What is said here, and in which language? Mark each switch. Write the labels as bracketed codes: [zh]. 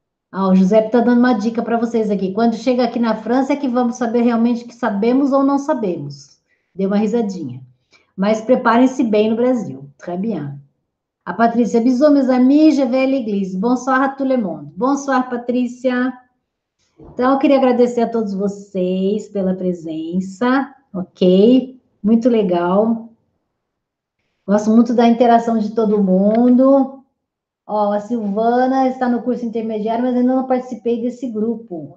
[pt] Ah, o Giuseppe está dando uma dica para vocês aqui. Quando chega aqui na França é que vamos saber realmente que sabemos ou não sabemos. Deu uma risadinha. Mas preparem-se bem no Brasil. [fr] Très bien. A Patrícia, bisous, mes amis, je vais à l'église. Bonsoir à tout le monde. Bonsoir, Patrícia. [pt] Então, eu queria agradecer a todos vocês pela presença, ok? Muito legal. Gosto muito da interação de todo mundo. Ó, a Silvana está no curso intermediário, mas ainda não participei desse grupo.